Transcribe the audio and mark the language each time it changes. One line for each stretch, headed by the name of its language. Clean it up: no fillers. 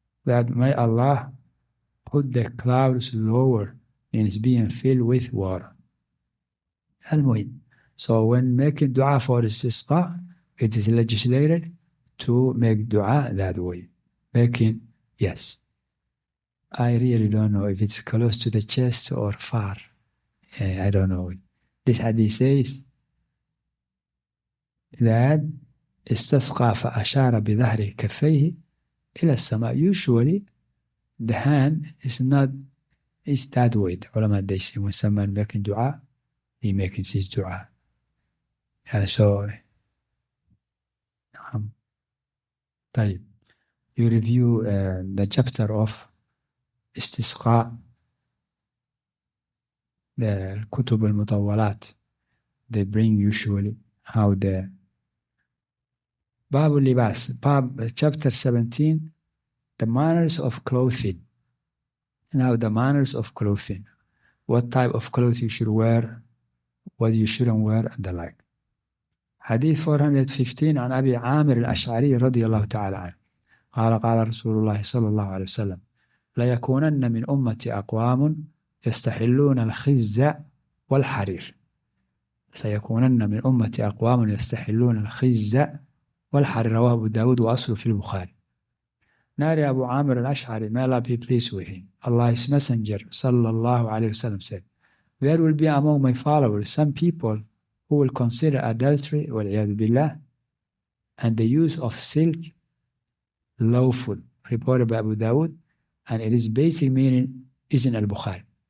English: That may Allah put the clouds lower in its being filled with water. Al-Muin. So when making dua for the sisqa, it is legislated to make dua that way. Making, yes. I really don't know if it's close to the chest or far. I don't know. This hadith says that
Arabic: استسقى فأشار بظهر كفيه إلى السماء.
English: Usually, the hand is not, it's that way. The ulama, they say when someone making dua, he making his dua. And so, طيب. You review the chapter of istisqa, the kutub al-mutawwalat, they bring usually how the Bab al-Libas, chapter 17, the manners of clothing. Now the manners of clothing, what type of clothes you should wear, what you shouldn't wear, and the like.
Arabic: Hadith 415 عن أبي عامر الأشعري رضي الله تعالى عنه. قال قال رسول الله صلى الله عليه وسلم لا يكونن من أمتي أقوام يستحلون الخز والحرير سيكونن من أمتي أقوام يستحلون الخز والحرير رواه أبو داود وأصله في البخاري. ناري أبو عامر الأشعري
English: may Allah be pleased with him, Allah's messenger صلى الله عليه وسلم said, there will be among my followers some people who will consider adultery
Arabic: والعياذ بالله
English: and the use of silk lawful, reported by Abu Dawud, and it is basic meaning is in Al-Bukhari.